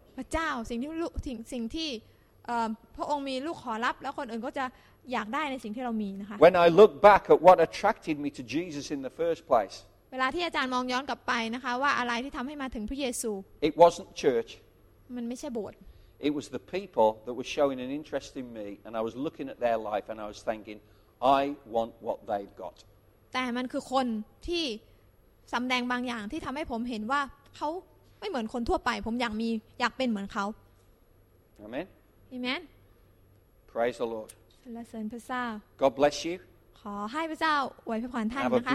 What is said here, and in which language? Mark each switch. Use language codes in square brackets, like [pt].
[th] พระเจ้าสิ่งที่ลูกสิ่งที่พระองค์มีลูกขอรับแล้วคนอื่นก็จะอยากได้ในสิ่งที่เรามีนะคะ [en] When I look back at what attracted me to Jesus in the first place [th] เวลาที่อาจารย์มองย้อนกลับไปนะคะว่าอะไรที่ทำให้มาถึงพระเยซู [en] It wasn't church [th] มันไม่ใช่โบสถ์ [en] It was the people that were showing an interest in me and I was looking at their life and I was thinking I want what they've got [th] แต่มันคือคนที่สำแดงบางอย่างที่ทำให้ผมเห็นว่าเขาไม่เหมือนคนทั่วไปผมอยากเป็นเหมือนเขา [en] Amen Amen Praise the Lord [th] สรรเสริญพระเจ้า [en] God bless you [th] ขอให้พระเจ้าอวยพรท่านนะคะ